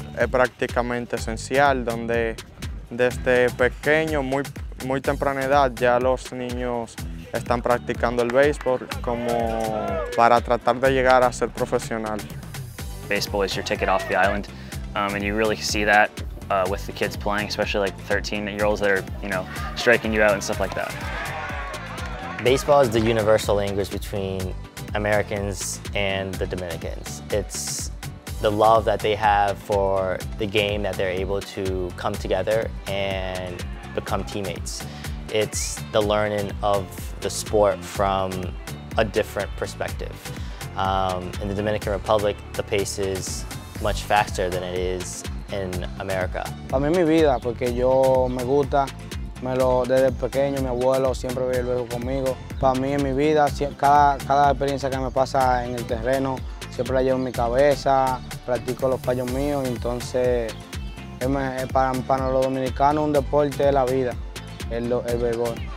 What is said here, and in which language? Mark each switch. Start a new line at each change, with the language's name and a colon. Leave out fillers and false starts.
Spanish: es prácticamente esencial, donde desde pequeño, muy, muy temprana edad, ya los niños están practicando el béisbol como para tratar de llegar a ser profesional.
English: Baseball is your ticket off the island, and you really see that with the kids playing, especially like 13-year-olds that are, you know, striking you out and stuff like that. Baseball is the universal language between Americans and the Dominicans. It's the love that they have for the game that they're able to come together and become teammates. It's the learning of the sport from a different perspective. In the Dominican Republic, the pace is much faster than it is in America.
Spanish: Para mí mi vida, porque yo me gusta, me lo desde pequeño mi abuelo siempre vive luego conmigo. Para mí en mi vida, cada experiencia que me pasa en el terreno siempre la llevo en mi cabeza, practico los fallos míos, entonces para los dominicanos un deporte es la vida, el béisbol.